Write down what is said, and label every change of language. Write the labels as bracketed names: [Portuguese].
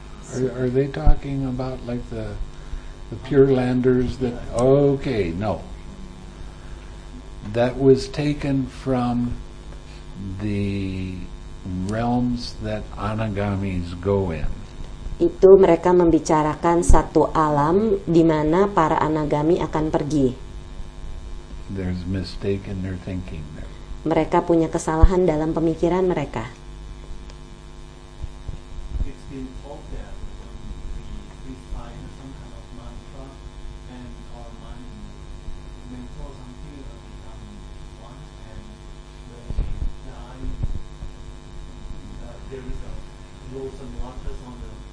[English] Are they talking about like the Pure Landers that? Okay, no. That was taken from the realms that Anagamis go in. [Indonesian] Itu mereka membicarakan satu alam di mana para anagami akan pergi. [English] There's mistake in their thinking there. [Indonesian] Mereka punya kesalahan dalam pemikiran mereka. [English] It's been told that we find some kind of mantra and our mind mental something that become one, and when we die, there is a frozen waters on the